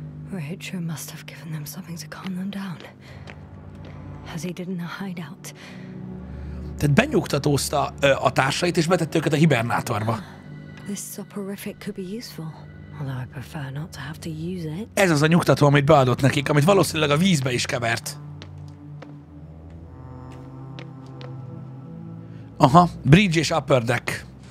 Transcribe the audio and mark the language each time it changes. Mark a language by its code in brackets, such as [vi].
[en] Rachel must have given them something to calm them down. As he did in a hideout. [hu] Tehát benyugtatózta a társait és betett őket a hibernátorba. [en] This soporific could be useful. Although I prefer not to have to use it. [hu] Ez az a nyugtató, amit beadott nekik, amit valószínűleg a vízbe is kevert. Aha, bridge és upper deck.